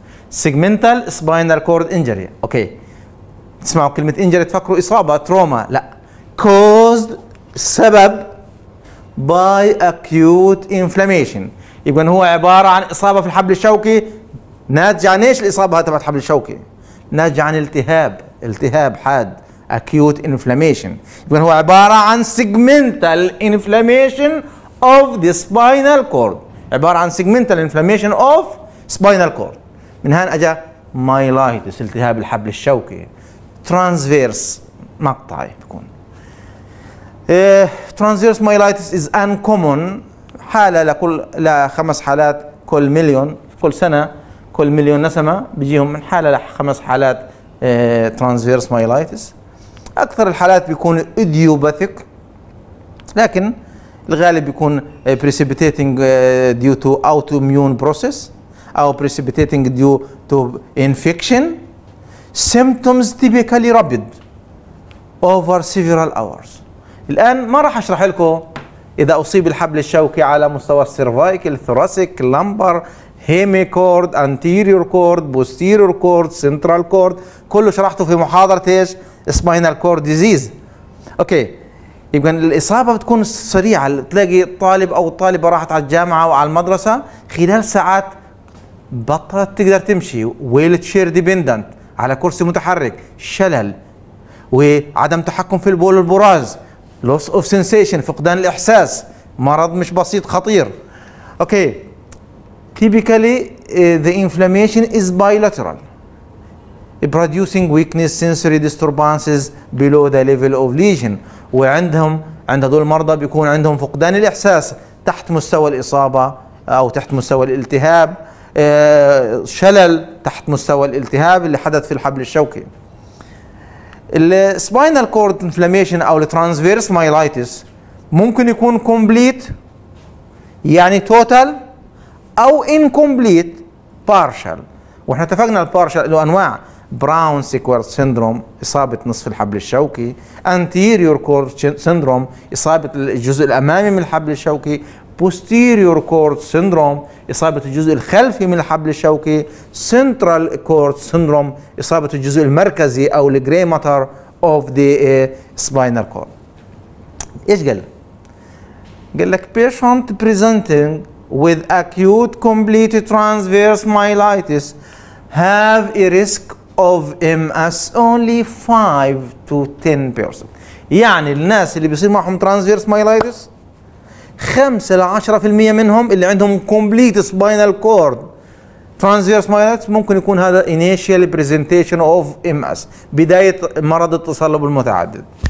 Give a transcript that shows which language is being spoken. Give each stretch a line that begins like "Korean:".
English: segmental spinal cord injury, okay
Arabic: تسمعوا كلمة
English: injury
Arabic: تفكروا إصابة
English: Trauma, لا caused سبب by acute inflammation.
Arabic: يبقى هو عبارة عن إصابة في الحبل الشوكي ناتج عن إيش؟ الإصابة تبعت الحبل الشوكي ناتج عن التهاب حاد
English: acute inflammation.
Arabic: يبقى هو عبارة عن
English: segmental inflammation of the spinal cord، عبارة عن segmental inflammation of spinal cord.
Arabic: من هان أجا myelitis التهاب الحبل الشوكي transverse مقطعي بكون.
English: Transverse myelitis is uncommon،
Arabic: حالة لكل لخمس حالات كل مليون، كل سنة كل مليون نسمة بيجيهم من حالة لخمس حالات Transverse myelitis. أكثر الحالات بيكون
English: idiopathic،
Arabic: لكن الغالب بيكون
English: precipitating due to autoimmune process أو precipitating due to infection. Symptoms typically rapid over several hours.
Arabic: الآن ما راح أشرح لكم إذا أصيب الحبل الشوكي على مستوى السيرفايكل، ثراسيك، لامبر، هيمي كورد، أنتيريور كورد، بوستيريور كورد، سنترال كورد، كله شرحته في محاضرة إيش؟ سباينال كورد ديزيز. أوكي، يبقى الإصابة بتكون سريعة، تلاقي طالب أو طالبة راحت على الجامعة أو على المدرسة خلال ساعات بطلت تقدر تمشي، ويل تشير ديبندنت على كرسي متحرك، شلل وعدم تحكم في البول البراز، loss of sensation فقدان الإحساس، مرض مش بسيط خطير.
English: Okay typically the inflammation is bilateral producing weakness sensory disturbances below the level of lesion.
Arabic: وعندهم عند هذول المرضى بيكون عندهم فقدان الإحساس تحت مستوى الإصابة أو تحت مستوى الالتهاب، شلل تحت مستوى الالتهاب اللي حدث في الحبل الشوكي. السباينال كورد انفلاميشن او الترانسفيرس مايلايتس ممكن يكون كومبليت يعني توتال او انكومبليت بارشل، واحنا اتفقنا البارشل له انواع، براون سيكورد سيندروم اصابه نصف الحبل الشوكي، انتيريور كورد سيندروم اصابه الجزء الامامي من الحبل الشوكي، بوستيريور كورد سيندروم اصابه الجزء الخلفي من الحبل الشوكي، سنترال كورد سيندروم اصابه الجزء المركزي او الجري ماتر اوف ذا سباينال كورد. ايش قال لك؟ قال لك بيشنت بريزنتنج
English: with acute complete transverse myelitis have a risk of MS only 5 to 10%.
Arabic: يعني الناس اللي بيصير معهم ترانزفيرس مايلايتس 5 إلى 10% منهم اللي عندهم كومبليت سباينال كورد ترانزفيرس مايلايتس ممكن يكون هذا انيشال بريزنتيشن اوف ام اس، بدايه مرض التصلب المتعدد.